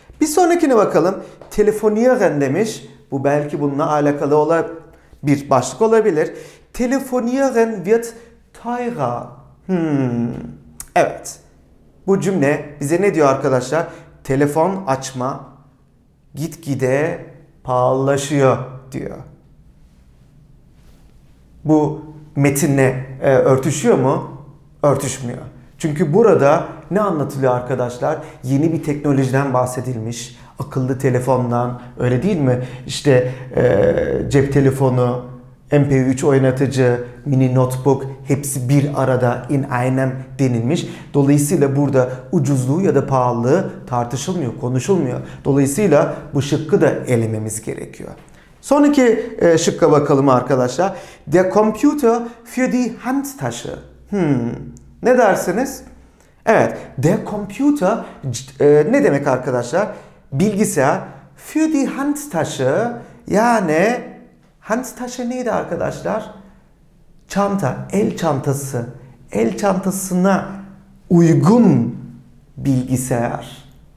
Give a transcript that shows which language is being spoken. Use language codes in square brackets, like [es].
[tr] Bir sonrakine bakalım. Telefonieren demiş. Bu belki bununla alakalı bir başlık olabilir. [de] Telefonieren wird teurer. [tr] Evet. Bu cümle bize ne diyor arkadaşlar? Telefon açma gitgide pahalılaşıyor diyor. Bu metinle örtüşüyor mu? Örtüşmüyor. Çünkü burada ne anlatılıyor arkadaşlar? Yeni bir teknolojiden bahsedilmiş. akıllı telefondan, öyle değil mi? İşte cep telefonu, MP3 oynatıcı, mini notebook, hepsi bir arada [de] in einem [tr] denilmiş. Dolayısıyla burada ucuzluğu ya da pahalılığı tartışılmıyor, konuşulmuyor. Dolayısıyla bu şıkkı da elememiz gerekiyor. Sonraki şıkka bakalım arkadaşlar. [de] Der Computer für die Handtasche. [tr] Ne dersiniz? Evet, der Computer ne demek arkadaşlar? Bilgisayar [de] für die Handtasche, [tr] yani Handtasche neydi arkadaşlar? Çanta, el çantası. El çantasına uygun bilgisayar.